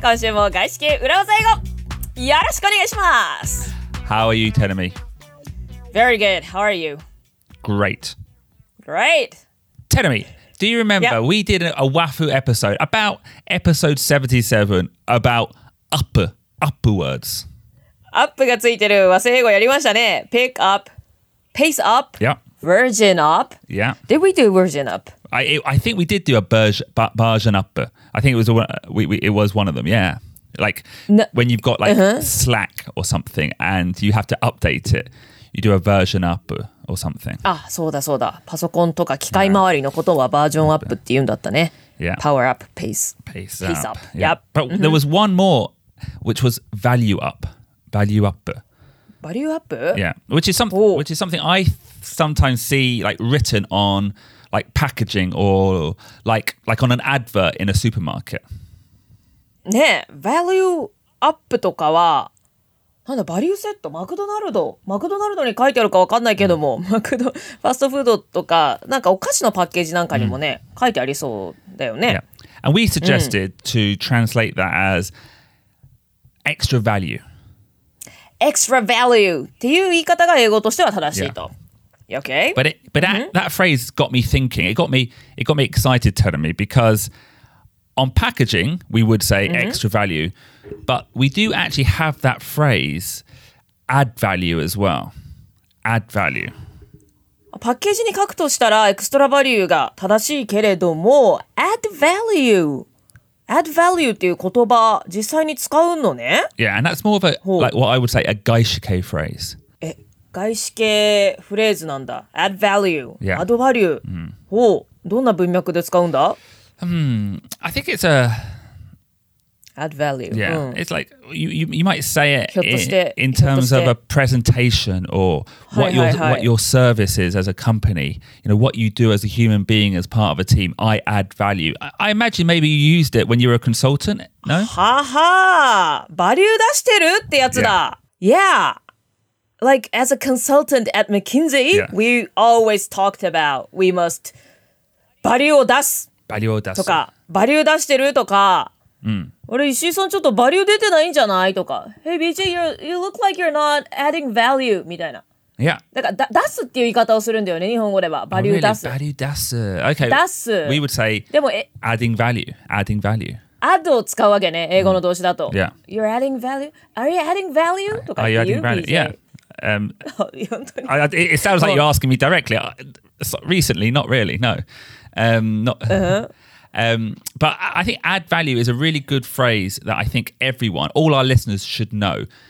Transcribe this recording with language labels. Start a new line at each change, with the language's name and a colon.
Japanese: Konshou mo Gaishke Urawaza Ego. Yoroshiku onegaishimasu.
English: How are you, Terumi? Very good. How are you? Great. Great. Terumi, do you remember we did a Wafu episode about episode 77 about upper words?
Japanese: Up がついてる和製英語やりましたね。
English: Pick up, pace up, version up. Yeah. Did we do version up? I think we did do a version up. I think it was one of them. Yeah. Like when you've got like Slack or something and you have to update it, you do a version up or something.
Japanese: あ、そうだそうだ。パソコンとか機械周りのことはバージョンアップって言うんだったね。
English: Yeah. Power up, pace. Pace up. Yep. But there was one more, which was value up. Value up. Value up? Yeah. Which is something I sometimes see like written on like packaging or like on an advert in a supermarket.
Japanese: ね、value up とかは、なんだ、バリューセット、マクドナルド。マクドナルドに書いてあるか分かんないけども、ファストフードとか、なんかお菓子のパッケージなんかにもね、書いてありそうだよね。
English: Yeah. And we suggested to translate that as extra value. Extra value
Japanese: っていう言い方が英語としては正しいと。Yeah. Okay?
English: But that phrase got me thinking. It got me excited, telling me, because on packaging, we would say extra value. But we do actually have that phrase, add value as well. Add value.
Japanese: パッケージに書くとしたら、エクストラバリューが正しいけれども、add value. Add value っていう言葉、実際に使うのね。
English: Yeah, and that's more of a, like what I would say, a 外資系 phrase.
Japanese: え、外資系フレーズなんだ。
English: Add value. Yeah. Add value.
Japanese: ほう、どんな文脈で使うんだ？
English: I think it's a... Add value. Yeah, it's like you might say it in terms of a presentation or what your service is as a company. You know, what you do as a human being as part of a team. I add value. I imagine maybe you used it when you were a consultant. No?
Japanese: Ha ha! Value 出してるってやつだ。Yeah.
English: Like as a consultant at McKinsey, we always talked about we must value
Japanese: を出す。 Value を出す。とか、value 出してるとか。うん、あれ石井さんちょっとバリュー出てないんじゃないとか
English: Hey BJ, you look like you're not adding value
Japanese: みたいな
English: Yeah
Japanese: だから出すっていう言い方をするんだよね日本語ではバリュー出す、
English: oh, really?
Japanese: バリュー出す
English: Okay
Japanese: 出す
English: We would say
Japanese: でも
English: adding value
Japanese: add を使うわけね英語の動詞だと、う
English: ん、Yeah You're adding value? Are you adding value?
Japanese: とか言う
English: BJ Yeah
Japanese: 本当に
English: It sounds like you're asking me directly Recently, not really, no not But I think add value is a really good phrase that I think everyone, all our listeners should know.